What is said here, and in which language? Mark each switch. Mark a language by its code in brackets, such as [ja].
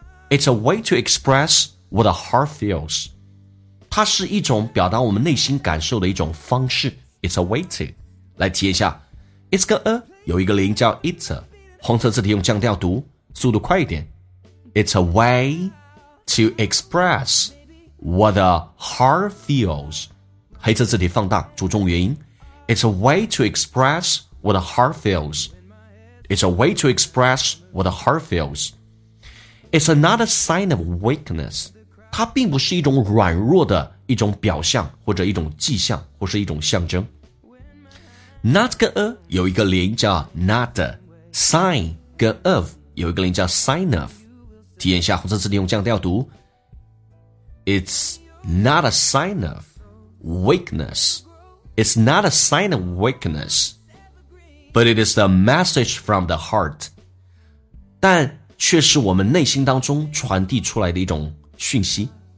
[en] It's a way to express what the heart feels. [zh] 它是一种表达我们内心感受的一种方式。 [en] It's a way to. [zh] 来体验一下。 [en] It's got a... [zh] 有一个零叫 it， 红色字体用降调读，速度快一点。 [en] It's a way to express what the heart feels。 [zh] 黑色字体放大，主重元音。 [en] It's a way to express what the heart feels。 It's a way to express what the heart feels。 It's not a sign of weakness。 [zh] 它并不是一种软弱的一种表象，或者一种迹象，或是一种象征。 Not 跟 a 有一个连叫 not， sign 跟 of 有一个连叫 sign of。体验一下红色字体用降调读。 [en] It's not a sign of weakness. It's not a sign of weakness, but it is the message from the heart. [zh] 但却是我们内心当中传递出来的一种讯息。